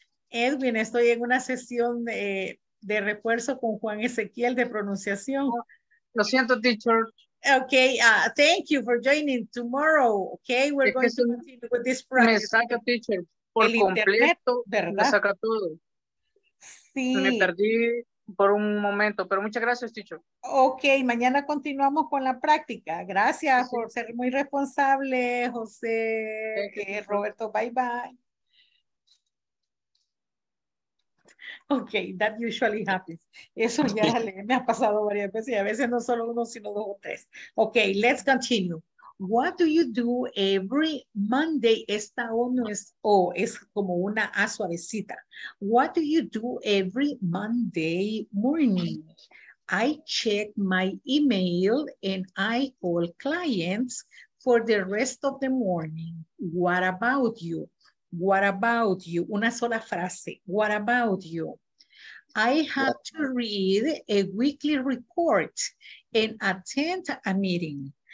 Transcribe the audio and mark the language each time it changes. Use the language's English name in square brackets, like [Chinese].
[Spanish] Edwin, estoy en una sesión de refuerzo con Juan Ezequiel de pronunciación. Lo siento, teacher. [English] Okay, thank you for joining tomorrow. Okay, we're es going to continue with this practice. [Spanish] Me saca, teacher, por el completo, internet, ¿verdad? Me saca todo. Sí. Me perdí por un momento, pero muchas gracias, teacher. Ok, mañana continuamos con la práctica. Gracias sí. Por ser muy responsable, José. Gracias, Roberto, bye bye. [English] Ok, that usually happens. [Spanish] Eso ya me ha pasado varias veces y a veces no solo uno, sino dos o tres. [English] Ok, let's continue. What do you do every Monday? [Spanish] Esta O no es O, es como una A suavecita. [English] What do you do every Monday morning? I check my email and I call clients for the rest of the morning. What about you? What about you? [Spanish] Una sola frase. [English] What about you? I have to read a weekly report and attend a meeting.